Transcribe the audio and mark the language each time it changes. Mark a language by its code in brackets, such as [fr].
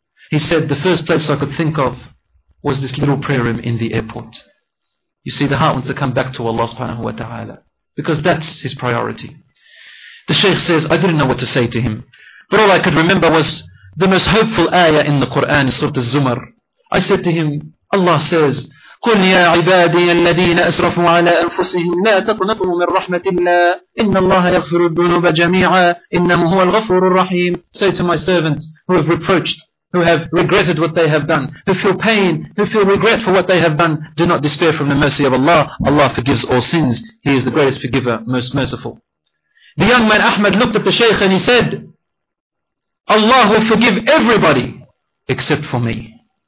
[en] He said, the first place I could think of was this little prayer room in the airport. You see, the heart wants to come back to Allah subhanahu wa ta'ala, because that's his priority. The Shaykh says, I didn't know what to say to him. But all I could remember was the most hopeful ayah in the Quran, Surah Az-Zumar. I said to him, Allah says, [ar] قُلْ يَا عِبَادِيَ الَّذِينَ أَسْرَفُوا عَلَىٰ أَنفُسِهِمْ لَا تَقْنَطُوا مِنْ رَحْمَةِ اللَّهِ إِنَّ اللَّهَ يَغْفِرُ الذُّنُوبَ جَمِيعًا إِنَّهُ هُوَ الْغَفُورُ الرَّحِيمُ. [en] Say to my servants who have reproached who have regretted what they have done, who feel pain, who feel regret for what they have done, do not despair from the mercy of Allah. Allah forgives all sins. He is the greatest forgiver, most merciful. The young man Ahmed looked at the Shaykh and he said, Allah will forgive everybody except for me.